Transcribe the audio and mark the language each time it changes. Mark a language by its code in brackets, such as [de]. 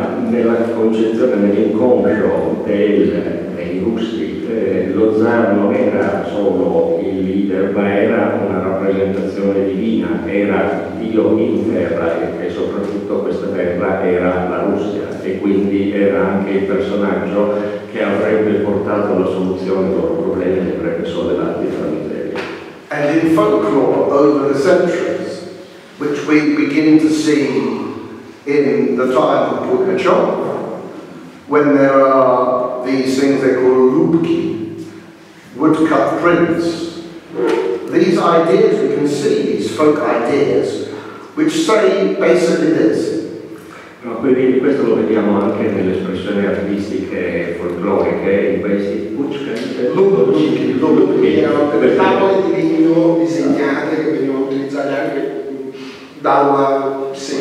[it] Nella concezione, nell'inconscio dei russi, lo zar non era solo il leader, ma era una rappresentazione divina, era Dio in terra e soprattutto questa terra era la Russia e quindi era anche il personaggio che avrebbe portato la soluzione ai loro problemi e avrebbe sollevato la miseria. [en] And in folklore over the centuries, which we begin to see in the time of Pugachev, when there are these things they call rubki, woodcut prints. These ideas, we can see these folk ideas, which say basically this. [it] No, quindi questo lo vediamo anche nelle espressioni artistiche folkloriche, in questi [en] woodcuts. [it] Lubki, le tavole di vino disegnate che venivano utilizzate anche dalla